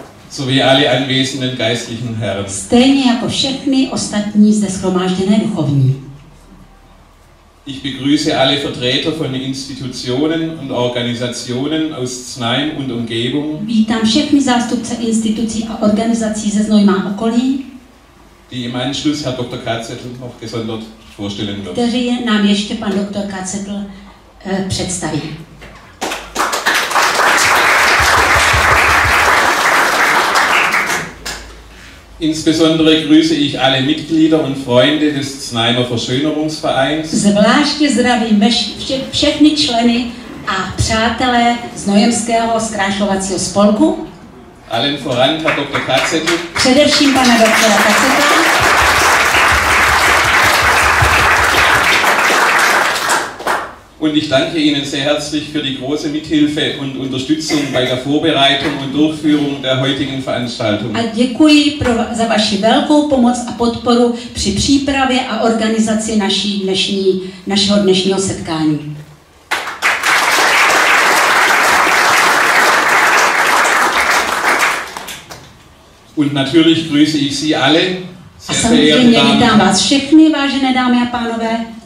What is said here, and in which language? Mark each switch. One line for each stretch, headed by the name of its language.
German: Sowie alle anwesenden geistlichen Herren.
Czech: Stejně jako všechny ostatní zde shromážděné duchovní.
German: Ich begrüße alle Vertreter von Institutionen und Organisationen aus Znajem und Umgebung.
Czech: Vítám všechny zástupce institucí a organizací ze Znojma a okolí.
German: Die im Anschluss Herr Dr. Katzettl noch gesondert vorstellen wird.
Czech: Kteří nám ještě pan Dr. Katzettl představí.
German: Insbesondere grüße ich alle Mitglieder und Freunde des Znajmer Verschönerungsvereins.
Czech: Zvláště zdravím všechny členy a přátelé z Nojemského zkrášlovacího spolku.
German: Allen voran, Herr Dr. Katzettl.
Czech: Především pana doktora Katzettla.
German: Und ich danke Ihnen sehr herzlich für die große Mithilfe und Unterstützung bei der Vorbereitung und Durchführung der heutigen Veranstaltung.
Czech: A děkuji za vaši velkou pomoc a podporu při přípravě a organizaci našeho dnešního setkání.
German: Und natürlich grüße ich Sie alle.
Czech: A samozřejmě vítám vás všechny, vážené dámy a pánové.